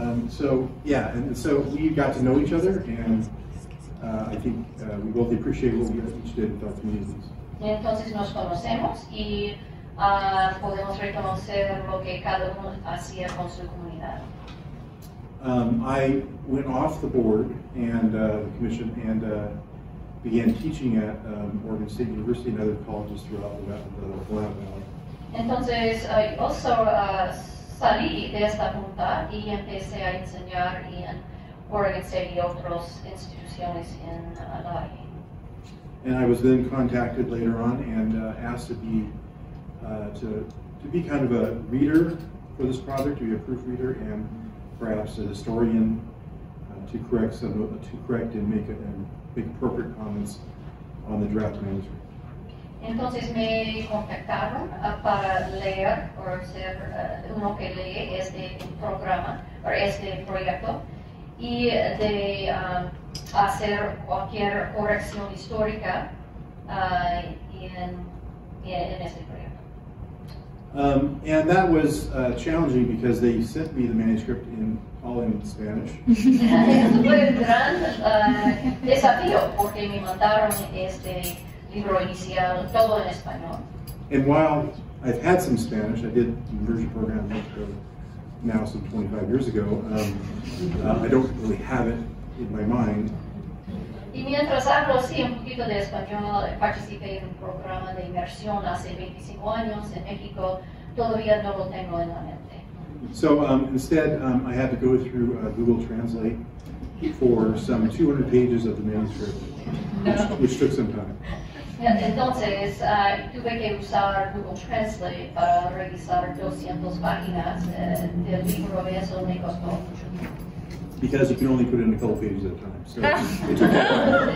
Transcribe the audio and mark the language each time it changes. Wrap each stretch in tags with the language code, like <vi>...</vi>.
<en>So we got to know each other, and I think we both appreciate what we each did with our communities.</en> <es>Entonces nos conocemos y podemos reconocer lo que cada uno hacía con su comunidad.</es> <en>I went off the board and the commission and began teaching at Oregon State University and other colleges throughout the Valley.</en> <es>Entonces, also salí de esta junta y empecé a enseñar en Oregon State y otras instituciones en la área.</es> <en>And I was then contacted later on and asked to be kind of a reader for this project, to be a proofreader and perhaps a historian to correct and make appropriate comments on the draft manuscript.</en> <es>Entonces me contactaron para leer o ser uno que lee este programa o este proyecto y de hacer cualquier corrección histórica en este proyecto.</es> <en>And that was challenging because they sent me the manuscript in all in Spanish.</en> <es>Fue un gran desafío porque me mandaron este.</es> <en>And while I've had some Spanish, I did an immersion program now some 25 years ago, I don't really have it in my mind.</en> <es>Y mientras hablo, sí, un poquito de español, participé en un programa de inmersión hace 25 años en México, todavía no lo tengo en la mente.</es> <en>So instead, I had to go through Google Translate for some 200 pages of the manuscript, which took some time.</en> <es>Entonces, tuve que usar Google Translate para revisar 200 páginas del libro, y eso me costó mucho.</es> <en>Because you can only put in a couple pages at a time, so it took a</en>